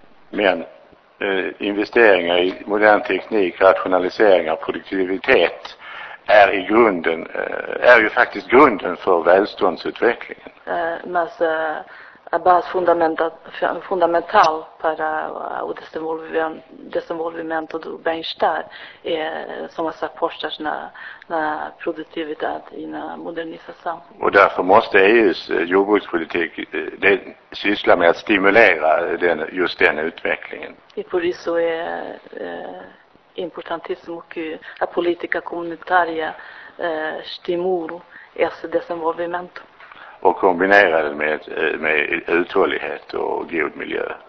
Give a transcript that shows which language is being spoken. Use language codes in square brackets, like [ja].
[sv] Men investeringar i modern teknik, rationaliseringar, produktivitet är i grunden är ju faktiskt grunden för välståndsutvecklingen. [pt] Mas a bas fundamental para o desenvolvimento do bem-estar são as apostas na produtividad e na modernização. [sv] Och därför måste EU:s jordbrukspolitik syssla med att stimulera just den utvecklingen. [pt] E por isso é importantíssimo que a política comunitária estimule esse desenvolvimento. [sv] och kombinera det med uthållighet och god miljö.